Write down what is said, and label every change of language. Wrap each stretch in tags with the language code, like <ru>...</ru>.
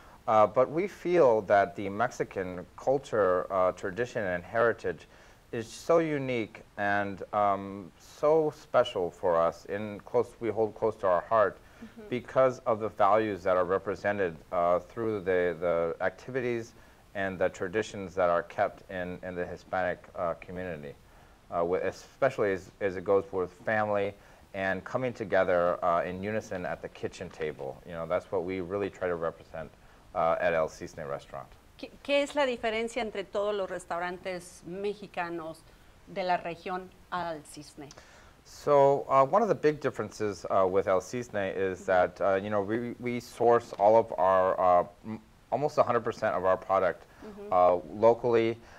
<en>But we feel that the Mexican culture, tradition and heritage is so unique and so special for us, we hold close to our heart because of the values that are represented through the activities and the traditions that are kept in the Hispanic community. Especially as it goes with family and coming together in unison at the kitchen table. You know, that's what we really try to represent at El Cisne Restaurant.</en> <es>¿Qué es la diferencia entre todos los restaurantes mexicanos de la región al Cisne?</es> <en>So one of the big differences with El Cisne is that, you know, we source all of our, almost 100% of our product locally.</en>